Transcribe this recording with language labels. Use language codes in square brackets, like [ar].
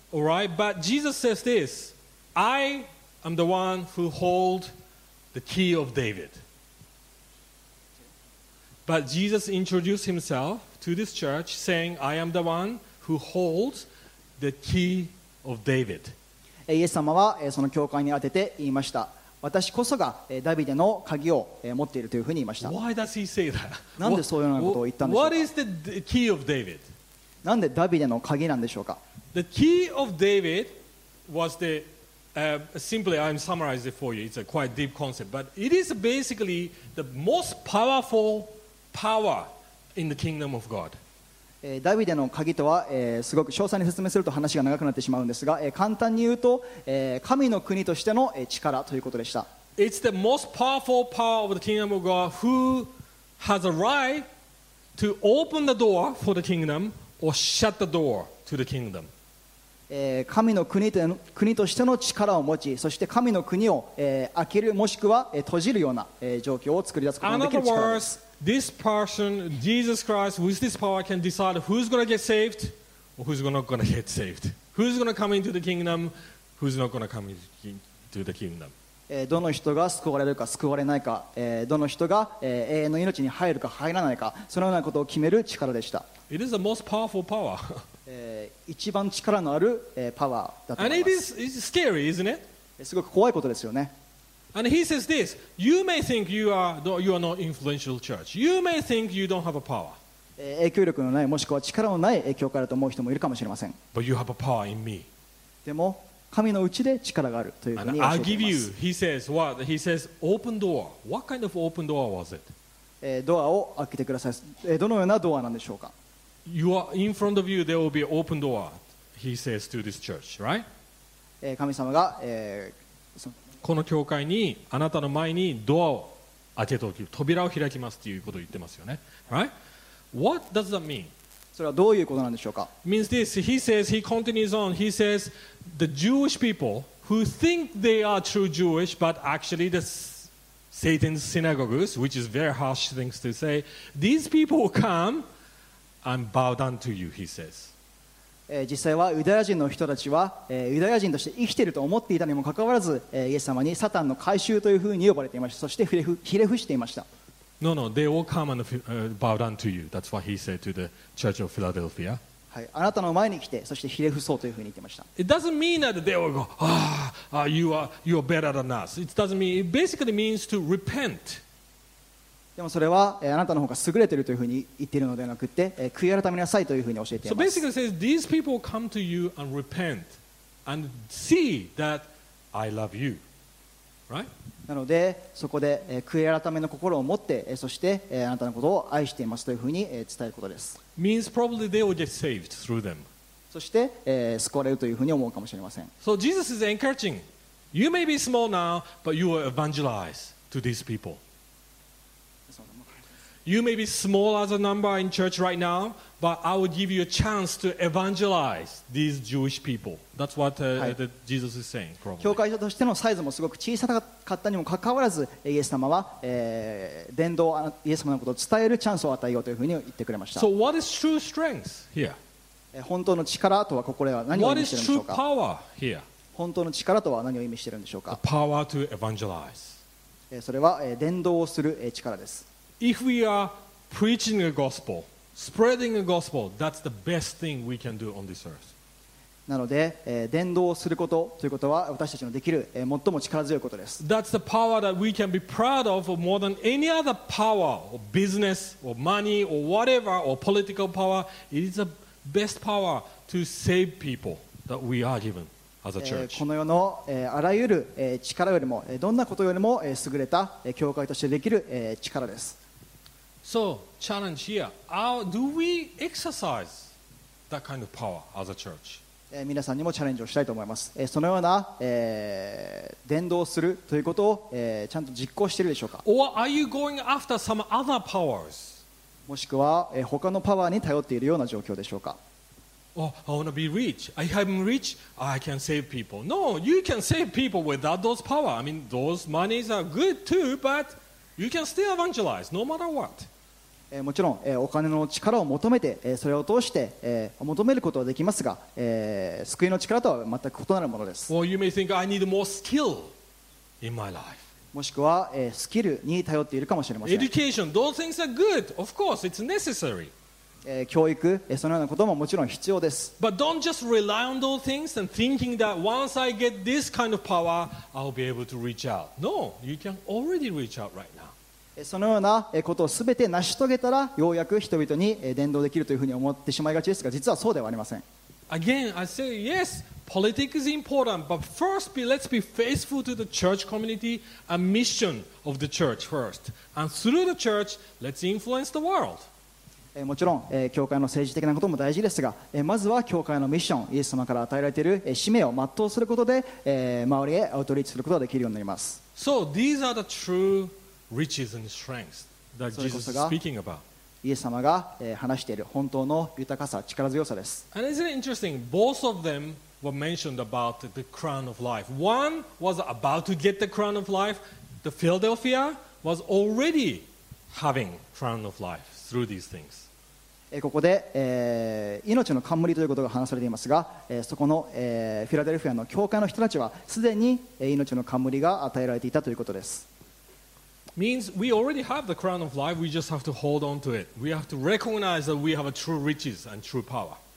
[en] All right, but Jesus says this. I am the one who hold the key of David. But Jesus introduced himself to this church saying, I am the one who holds the key of David. [ja] イエス様はその教会に当てて言いました。私こそがダビデの鍵を持っているというふうに言いました。 [en] Why does he say that? [ja] なんでそういうようなことを言ったんでしょうか? [en] What is the key of David? [ja] なんでダビデの鍵なんでしょうか? [en] The key of David was theSimply, I'm summarizing it for you. It's a quite deep concept, but it is basically the most powerful power in the kingdom of God. [ja] ダビデの鍵とは、すごく詳細に説明すると話が長くなってしまうんですが、簡単に言うと、神の国としての力ということでした。 [en] It's the most powerful power of the kingdom of God who has a right to open the door for the kingdom or shut the door to the kingdom. [ja] 神の国としての力を持ち、そして神の国を開けるもしくは閉じるような状況を作り出すことができる力です。 [en] In other words, this person, Jesus Christ, with this power can decide who's going to get saved or who's not going to get saved. Who's going to come into the kingdom, who's not going to come into the kingdom. [ja] どの人が救われるか救われないか、どの人が永遠の命に入るか入らないか、そのようなことを決める力でした。 [en] It is the most powerful power. [ja] 一番力のある、パワーだと思います。 [en] And it is scary, isn't it? [ja] すごく怖いことですよね。 [en] And he says this, you may think you are not influential church. You may think you don't have a power. [ja] 影響力のないもしくは力のない影響からと思う人もいるかもしれません。 [en] But you have a power in me. [ja] でも神のうちで力があるというふうに教えています [en] 。 And I'll give you, he says, what? He says, open door. What kind of open door was it? [ja] ドアを開けてください。どのようなドアなんでしょうか。 [en] You are in front of you, there will be an open door, he says to this church, right? [ja] 神様が、この教会にあなたの前にドアを開けておき、扉を開きますということを言ってますよね。 [en] Right? What does that mean? [ja] それはどういうことなんでしょうか? [en] Means this, he says, he continues on, he says, the Jewish people who think they are true Jewish, but actually the Satan's synagogues, which is very harsh things to say, these people will come,And bow down to you, he says. [ja] 実際はユダヤ人の人たちは、ユダヤ人として生きていると思っていたにもかかわらず、イエス様にサタンの回収というふうに呼ばれていました。そしてひれ伏していました。 [en] No, no, they will come and bow down to you. That's what he said to the Church of Philadelphia. [ja] あなたの前に来て、そしてひれ伏そうというふうに言ってました。 [en] It doesn't mean that they will go, ah, ah, you are better than us. It doesn't mean, it basically means to repent. [ja] でもそれは、あなたの方が優れているというふうに言っているのではなくて、悔い改めなさいというふうに教えています。 [en] So basically says, these people come to you and repent and see that I love you. Right? [ja] なのでそこで、悔い改めの心を持って、そして、あなたのことを愛していますというふうに、伝えることです。 [en] means probably they will get saved through them. [ja] そして、救われるというふうに思うかもしれません。 [en] So Jesus is encouraging. You may be small now, but you will evangelize to these people. You may be small as a number in church right now, but I will give you a chance to evangelize these Jewish people. That's what、that Jesus is saying, probably. [ja] 教会としてのサイズもすごく小さかったにもかかわらず、イエス様は、伝道、イエス様のことを伝えるチャンスを与えようというふうに言ってくれました。 [en] So what is true strength here? [ja] 本当の力とはここでは何を意味しているんでしょうか? [en] What is true power here? [ja] 本当の力とは何を意味しているんでしょうか? [en] The power to evangelize. [ja] それは、伝道をする力です。 [en] If we are preaching a gospel, spreading a gospel, that's the best thing we can do on this earth. [ja] なので、伝道をすることということは私たちのできる、最も力強いことです。 [en] That's the power that we can be proud of more than any other power, or business, or money, or whatever, or political power. It is the best power to save people that we are given as a church. [ja] この世の、あらゆる、力よりも、どんなことよりも、優れた、教会としてできる、力です。 [en] So, challenge here. Do we exercise that kind of power as a church? [ja] 皆さんにもチャレンジをしたいと思います。そのような、伝道するということを、ちゃんと実行しているでしょうか。 [en] Or are you going after some other powers? [ja] もしくは、他のパワーに頼っているような状況でしょうか。 [en] Oh, I want to be rich. If I'm rich, I can save people. No, you can save people without those power. I mean, those monies are good too, but you can still evangelize no matter what. [ja] もちろん、お金の力を求めて、それを通して、求めることはできますが、救いの力とは全く異なるものです。 [en] Or you may think I need more skill in my life. [ja] もしくは、スキルに頼っているかもしれません。 [en] Education, those things are good. Of course, it's necessary. [ja] 教育、そのようなことももちろん必要です。 [en] But don't just rely on those things and thinking that once I get this kind of power, I'll be able to reach out. No, you can already reach out right now. [ja] そのようなことをすべて成し遂げたらようやく人々に伝道できるというふうに思ってしまいがちですが、実はそうではありません。 [en] Again, I say yes, politics is important, but first let's be faithful to the church community and mission of the church first, and through the church let's influence the world. [ja] もちろん教会の政治的なことも大事ですが、まずは教会のミッション、イエス様から与えられている使命を全うすることで周りへアウトリーチすることができるようになります。 [en] So these are the trueriches and strengths that Jesus is speaking about. [ja] イエス様が話している本当の豊かさ、力強さです。 [en] And isn't it interesting? Both of them were mentioned about the crown of life. One was about to get the crown of life. The Philadelphia was already having crown of life through these things. [ja] ここで、命の冠ということが話されていますが、そこの、フィラデルフィアの教会の人たちはすでに、命の冠が与えられていたということです。 [en] Means we already have the crown of life. We just have to hold on to it. We have to recognize that we have a true riches and true power.